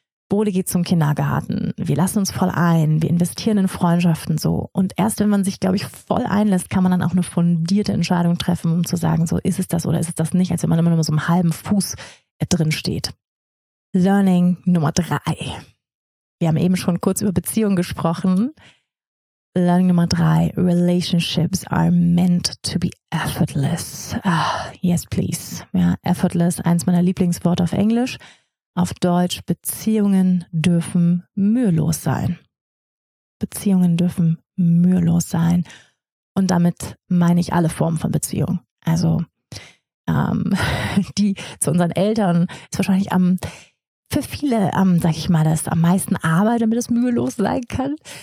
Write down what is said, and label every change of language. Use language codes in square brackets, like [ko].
[de] Bode geht zum Kindergarten, wir lassen uns voll ein, wir investieren in Freundschaften so. Und erst wenn man sich, glaube ich, voll einlässt, kann man dann auch eine fundierte Entscheidung treffen, um zu sagen, so ist es das oder ist es das nicht, als wenn man immer nur so einem halben Fuß drin steht. Learning Nummer 3. Wir haben eben schon kurz über Beziehungen gesprochen. Learning Nummer 3. [en] Relationships are meant to be effortless. Ah, yes, please. [de] Ja, effortless, eins meiner Lieblingsworte auf Englisch. Auf Deutsch, Beziehungen dürfen mühelos sein. Beziehungen dürfen mühelos sein. Und damit meine ich alle Formen von Beziehungen. Also die zu unseren Eltern ist wahrscheinlich für viele, sag ich mal, das am meisten Arbeit, damit es mühelos sein kann.